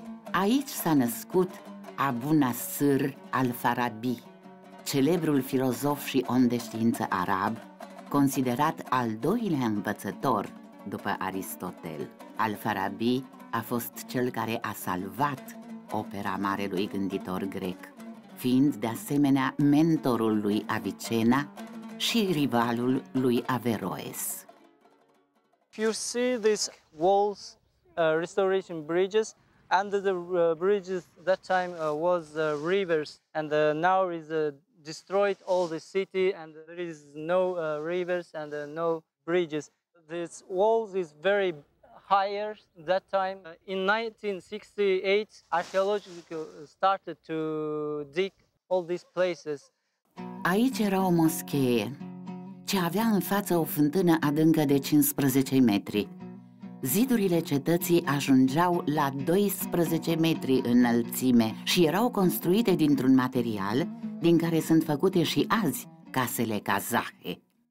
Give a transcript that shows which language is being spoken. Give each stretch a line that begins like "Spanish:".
Romanian: Aici s-a născut Abu Nasr al-Farabi, celebrul filozof și om de știință arab, considerat al doilea învățător după Aristotel. Al-Farabi a fost cel care a salvat opera marelui gânditor grec, fiind de asemenea mentorul lui Avicena și rivalul lui Averroes.
English: If you see these walls, restoration bridges, under the bridges that time was rivers, and now is destroyed all the city, and there is no rivers and no bridges. These walls is very higher that time. In 1968, archaeological started to dig all these places.
Romanian: Aici era o moschee ce avea în față o fântână adâncă de 15 metri. Zidurile cetății ajungeau la 12 metri înălțime și erau construite dintr-un material din care sunt făcute și azi casele kazahe.